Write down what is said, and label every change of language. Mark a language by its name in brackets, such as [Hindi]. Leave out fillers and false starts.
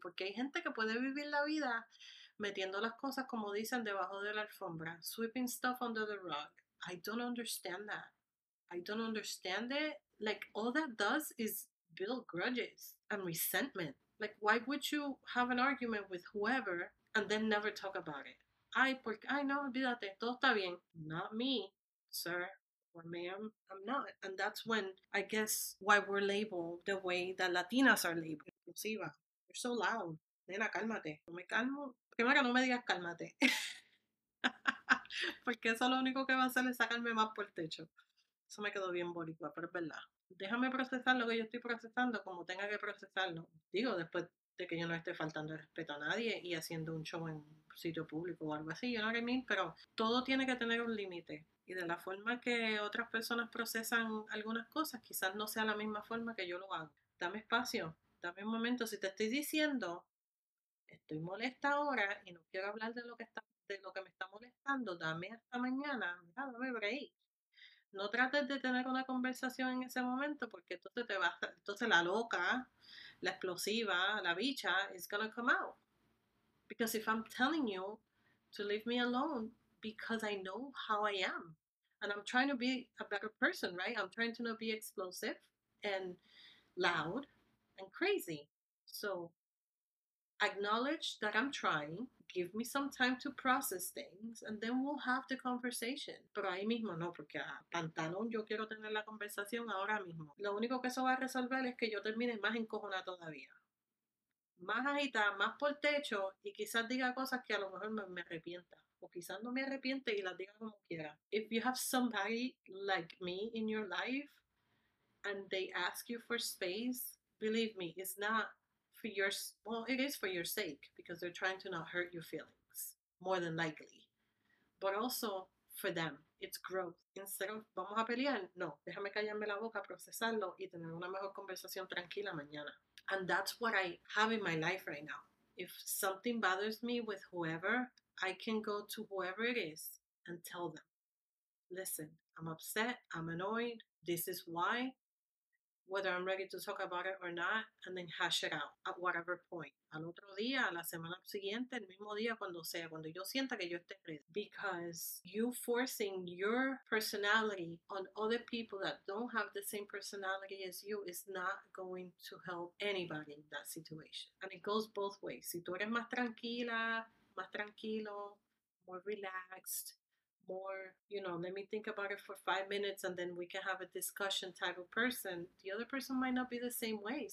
[Spanish] Porque hay gente que puede vivir la vida metiendo las cosas, como dicen, debajo de la alfombra, [English] sweeping stuff under the rug. I don't understand that. I don't understand it. Like, all that does is build grudges and resentment. Like, why would you have an argument with whoever and then never talk about it? [Spanish] Ay, porque, ay, no, olvídate, todo está bien. [English] Not me, sir or ma'am, I'm not. And that's when, I guess, why we're labeled the way that Latinas are labeled. [Spanish] Inclusiva, [English] you're so loud. [Spanish] Nena, cálmate. No me calmo. Primero que no me digas cálmate. Porque eso lo único que va a hacer es sacarme más por el techo. Eso me quedó bien boricua, pero es verdad. Déjame procesar lo que yo estoy procesando como tenga que procesarlo. Digo, después de que yo no esté faltando el respeto a nadie y haciendo un show en sitio público o algo así, [English] you know what I mean? [Spanish] Pero todo tiene que tener un límite. Y de la forma que otras personas procesan algunas cosas, quizás no sea la misma forma que yo lo hago. Dame espacio, dame un momento. Si te estoy diciendo, estoy molesta ahora y no quiero hablar de lo que me está molestando, dame hasta mañana, mira, dame break. No trates de tener una conversación en ese momento porque entonces te vas, entonces la loca, la explosiva, la bicha [English] is gonna come out. Because if I'm telling you to leave me alone because I know how I am and I'm trying to be a better person, right? I'm trying to not be explosive and loud and crazy. So acknowledge that I'm trying. Give me some time to process things and then we'll have the conversation. [Spanish] Pero ahí mismo no, porque a pantalón yo quiero tener la conversación ahora mismo. Lo único que eso va a resolver es que yo termine más encojonada todavía. Más agitada, más por techo y quizás diga cosas que a lo mejor me arrepienta. O quizás no me arrepiente y las diga como quiera. [English] If you have somebody like me in your life and they ask you for space, believe me, it's not for your, well, it is for your sake, because they're trying to not hurt your feelings, more than likely. But also, for them, it's growth. Instead of, [Spanish] vamos a pelear, no, déjame callarme la boca, procesarlo, y tener una mejor conversación tranquila mañana. [English] And that's what I have in my life right now. If something bothers me with whoever, I can go to whoever it is and tell them, listen, I'm upset, I'm annoyed, this is why. Whether I'm ready to talk about it or not, and then hash it out at whatever point. [Spanish] Al otro día, a la semana siguiente, el mismo día, cuando sea, cuando yo sienta que yo esté ready. [English] Because you forcing your personality on other people that don't have the same personality as you is not going to help anybody in that situation. And it goes both ways. [Spanish] Si tú eres más tranquila, más tranquilo, [English] more relaxed, more, you know, let me think about it for 5 minutes and then we can have a discussion type of person, the other person might not be the same way.